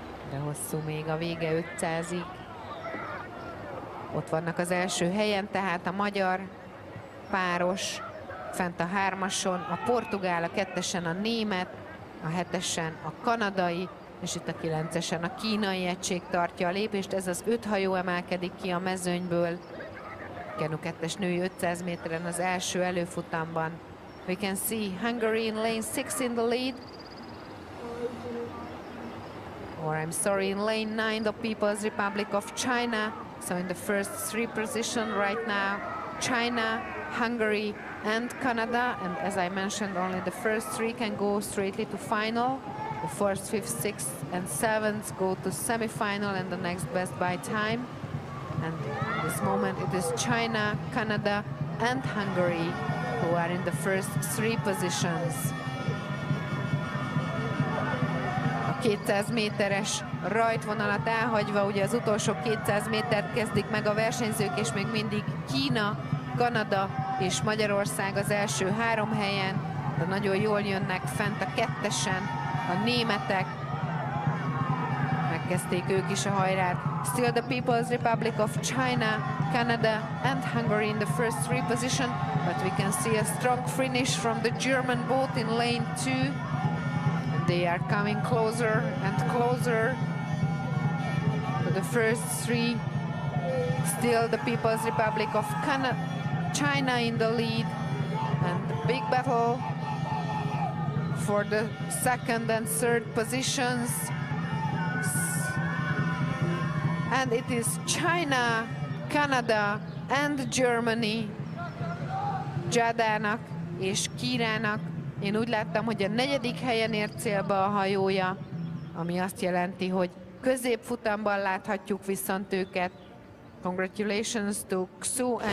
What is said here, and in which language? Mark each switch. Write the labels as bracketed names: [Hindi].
[Hungarian] De hosszú még a vége 500-ig. Ott vannak az első helyen, tehát a magyar páros fent a hármason, a portugál, a kettesen a német, a hetesen a kanadai, és itt a kilencesen a kínai egység tartja a lépést. Ez az öt hajó emelkedik ki a mezőnyből. Kenu kettes női 500 méteren az első előfutamban. [English] We can see Hungary in lane 6 in the lead. Or I'm sorry, in lane 9, the People's Republic of China. So in the first three position right now, China, Hungary and Canada. And as I mentioned, only the first three can go straightly to final. The first, fifth, sixth and seventh go to semi-final and the next best by time. And at this moment it is China, Canada and Hungary who are in the first three positions. [Hungarian] A 200 méteres rajtvonalat elhagyva, ugye az utolsó 200 métert kezdik meg a versenyzők, és még mindig Kína, Kanada és Magyarország az első három helyen, de nagyon jól jönnek fent a kettesen a németek. Megkezdték ők is a hajrát. [English] Still the People's Republic of China, Canada and Hungary in the first three position, but we can see a strong finish from the German boat in lane 2. They are coming closer and closer to the first three. Still the People's Republic of China in the lead. And the big battle for the second and third positions. And it is China, Canada and Germany. [Hungarian] Dzsádának és Kirának. Én úgy láttam, hogy a negyedik helyen ért célba a hajója, ami azt jelenti, hogy középfutamban láthatjuk viszont őket. [English] Congratulations to Xu and